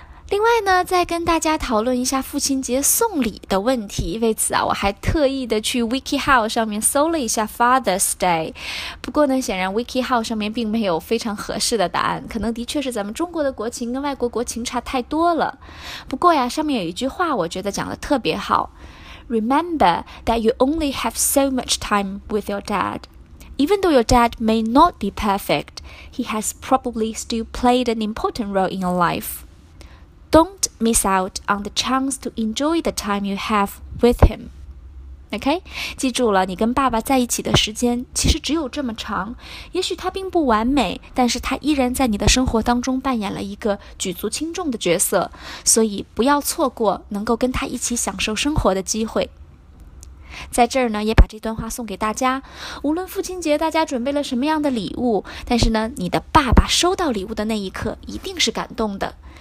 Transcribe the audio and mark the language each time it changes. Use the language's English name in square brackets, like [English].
[Chinese] 另外呢，再跟大家讨论一下父亲节送礼的问题。为此啊，我还特意的去 WikiHow 上面搜了一下 Father's Day， 不过呢，显然 WikiHow 上面并没有非常合适的答案，可能的确是咱们中国的国情跟外国国情差太多了。不过呀，上面有一句话我觉得讲得特别好， [English] Remember that you only have so much time with your dad. Even though your dad may not be perfect, he has probably still played an important role in your lifeDon't miss out on the chance to enjoy the time you have with him. OK? [Chinese] 记住了，你跟爸爸在一起的时间其实只有这么长，也许他并不完美，但是他依然在你的生活当中扮演了一个举足轻重的角色，所以不要错过能够跟他一起享受生活的机会。在这儿呢，也把这段话送给大家，无论父亲节大家准备了什么样的礼物，但是呢，你的爸爸收到礼物的那一刻一定是感动的。